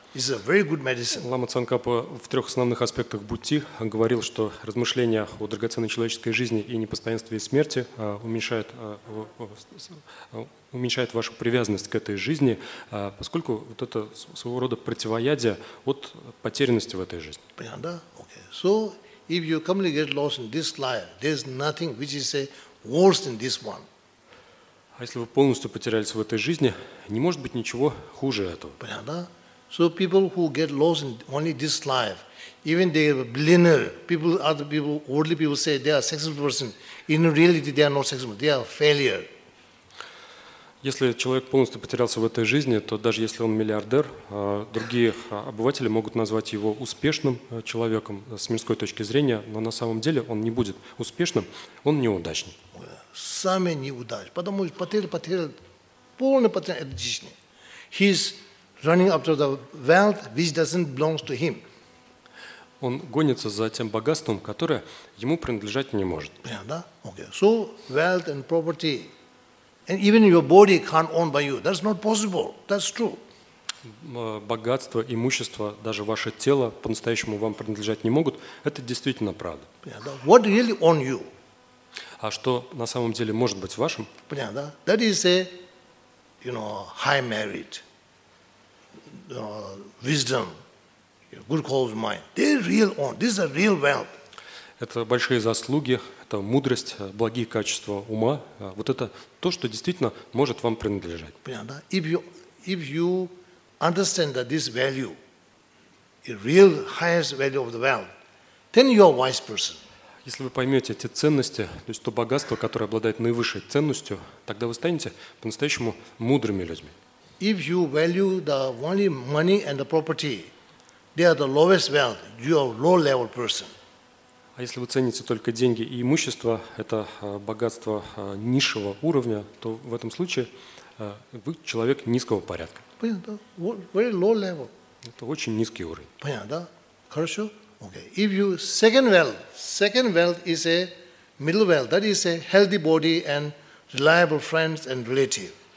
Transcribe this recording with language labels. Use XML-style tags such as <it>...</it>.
<en>This is a very good medicine.</en> <ru>Лама Цанкапа в трех основных аспектах Будхи говорил, что размышления о драгоценной человеческой жизни и непостоянстве смерти уменьшает вашу привязанность к этой жизни, поскольку вот это своего рода противоядие от потерянности в этой жизни. Понятно, да? Okay.</ru> <en>So if you completely get lost in this life, there's nothing which is worse than this one.</en> <ru>А если вы полностью потерялись в этой жизни, не может быть ничего хуже этого. Понятно, да?</ru> <en>So people who get lost in only this life, even they are a billionaire, people, other people, worldly people say they are a successful person. In reality, they are not successful. They are a failure.</en> <ru>Если человек полностью потерялся в этой жизни, то даже если он миллиардер, другие обыватели могут назвать его успешным человеком с мирской точки зрения, но на самом деле он не будет успешным, он неудачник. Самый неудачник, потому что потерял полный потерял этой жизни.</ru> <en>His running after the wealth which doesn't belong to him.</en> <ru>Он гонится за тем богатством, которое ему принадлежать не может. Понятно, да?</ru> <en>Okay. So wealth and property, And even your body can't own by you. That's not possible. That's true.</en> <ru>Богатство, имущество, даже ваше тело по-настоящему вам принадлежать не могут. Это действительно правда.</ru> <en>What really own you?</en> <ru>А что на самом деле может быть вашим? Понятно, да?</ru> <en>That is a, you know, high merit, wisdom, good qualities of mind. They real own. This is a real wealth.</en> <ru>Это большие заслуги, это мудрость, благие качества ума. Вот это то, что действительно может вам принадлежать. Понятно, да?</ru> <en>If you understand that this value, the real highest value of the wealth, then you are a wise person.</en> <ru>Если вы поймете эти ценности, то есть то богатство, которое обладает наивысшей ценностью, тогда вы станете по-настоящему мудрыми людьми.</ru> <en>If you value the only money and the property, they are the lowest wealth, you are a low-level person.</en> <ru>А если вы цените только деньги и имущество, это богатство низшего уровня, то в этом случае вы человек низкого порядка. Понятно, да?</ru> <en>Very low level.</en> <ru>Это очень низкий уровень. Понятно, да? Хорошо? Okay.</ru> <en>If you second wealth is a middle wealth, that is a healthy body and reliable friends and relative.</en>